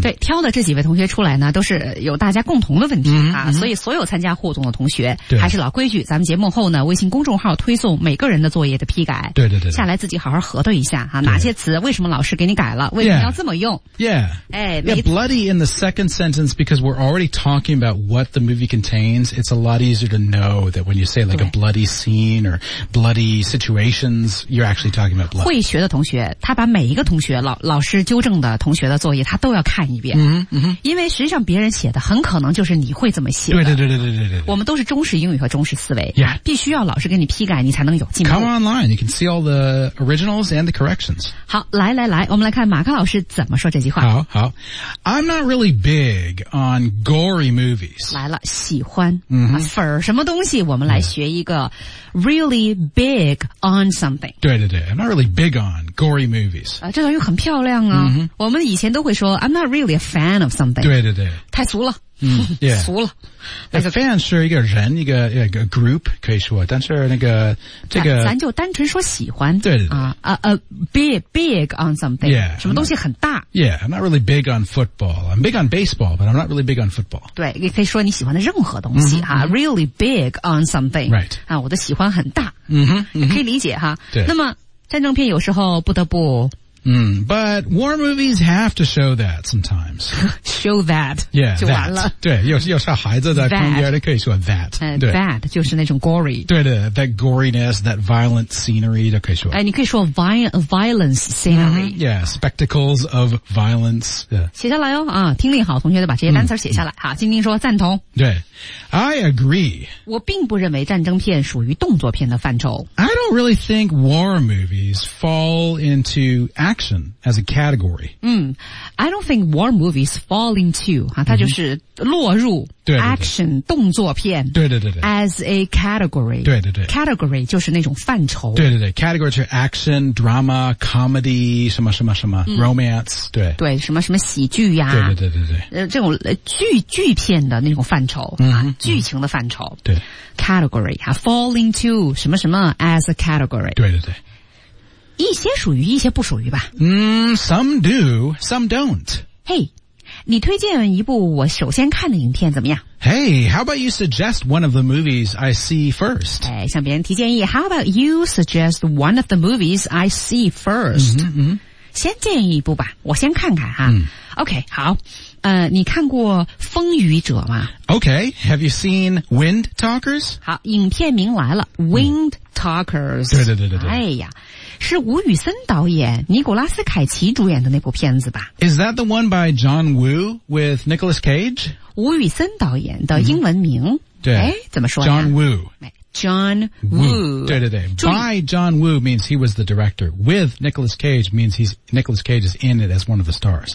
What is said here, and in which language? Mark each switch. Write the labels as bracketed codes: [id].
[zh] 对，挑的这几位同学出来呢都是有大家共同的问题啊，所以所有参加互动的同学还是老规矩，咱们节目后呢微信公众号推送每个人的作业的批改。对对 对。下来自己好好核对一下啊，哪些词为什么老师给你改了，为什么要这么用。 [en] Bloody in the second sentence, because we're already talking about what the movie contains, it's a lot easier to know that when you say like a bloody scene or bloody situations, you're actually talking about blood. [zh] 会学的同学，他把每一个同学老师纠正的同学的作业，他都要看一遍。因为实际上别人写的很可能就是你会这么写的。对对对对对对对。我们都是中式英语和中式思维。 [en] Yeah. [zh] 必须要老师给你批改，你才能有进步。 [en] Come online, you can see all the originals and the corrections. [zh] 好，来来来，我们来看马克老师怎么说这句话。好好。 [en] I'm not really big on gory movies. [zh] 来了，喜欢。粉什么东西，我们来学一个 [en] really big on something. [zh] 对对对， [en] I'm not really big on gory movies. [zh] 这段又很漂亮啊。我们以前都会说 [en] I'm not really a fan of something. [zh] 对对对。太俗了。俗了。那个 fan 是一个人，一个 group 可以说，但是那个这个咱就单纯说喜欢。对对对。 [en] Big on something. Yeah, [zh] 什么东西很大。 [en] Yeah, I'm not really big on football. I'm big on baseball, but I'm not really big on football. [zh] 对，也可以说你喜欢的任何东西啊。 [en] Really big on something. Right. [zh] 啊，我的喜欢很大。可以理解哈。对。那么战争片有时候不得不。 [en] But war movies have to show that sometimes. Show that. Yeah, [zh] 就完了。对，有时候孩子在旁边可以说 that. That 就是那种 gory. [en] 对的， that goriness, that violent scenery [zh] 都可以说。你可以说 [en] violence scenery. Yeah, spectacles of violence. Yeah. [zh] 写下来哦，听力好同学的把这些单词写下来。好，晶晶说赞同。 [en] 对。I agree. [zh] 我并不认为战争片属于动作片的范畴。 [en] I don't really think war movies fall into action as a category. I don't think war movies fall into, [zh] 它就是落入 [en] action, [zh] 对对对动作片对对对对 [en] as a category. [zh] 对对对 category 就是那种范畴。对对对 ,category 是 action, drama, comedy, 什么什么什么 romance, 对。对什么什么喜剧呀。对对对对对。这种剧片的那种范畴。剧情的范畴。对。 [en] category, fall into [zh] 什么什么 [en] as a category. [zh] 对对对。一些属于一些不属于吧。 [en] Some do, some don't. [zh] Hey, 你推荐一部我首先看的影片怎么样？ [en] Hey, how about you suggest one of the movies I see first? [zh] 向别人提建议。 [en] How about you suggest one of the movies I see first? [zh] 先建议一部吧，我先看看哈。 OK, 好。你看过风雨者吗？ [en] OK, have you seen Wind Talkers? 好，影片名来了， Wind Talkers. [zh] 对对对对对。哎呀。是吴宇森导演尼古拉斯凯奇主演的那部片子吧。 [en] Is that the one by John Woo with Nicolas Cage? [zh] 吴宇森导演的英文名。对。怎么说呢 [en] ?John Woo. John Woo. [zh] 对对对。 [en] By John Woo means he was the director. With Nicolas Cage means Nicolas Cage is in it as one of the stars.